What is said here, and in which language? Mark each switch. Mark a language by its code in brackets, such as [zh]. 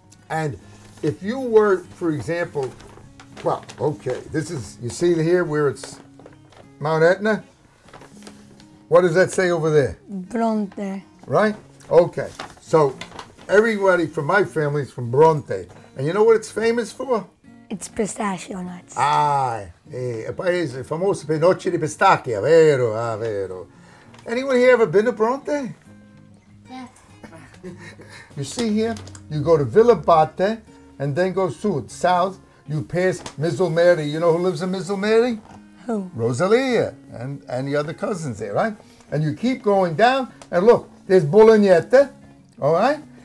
[en] And if you were, for example, well, okay, this is, you see here where it's Mount Etna? What does that say over there? Bronte. Right? Okay. So everybody from my family is from Bronte. And you know what it's famous for? It's pistachio nuts. [it] Ah, a paese famoso per noci di pistacchia, vero, ah, vero. [en] Anyone here ever been to Bronte? You see here, you go to Villa Batte and then go south, you pass Mizzlemary. You know who lives in Mizzlemary? Who? Rosalia and the other cousins there, right? And you keep going down, and look, there's Bolognette, all right?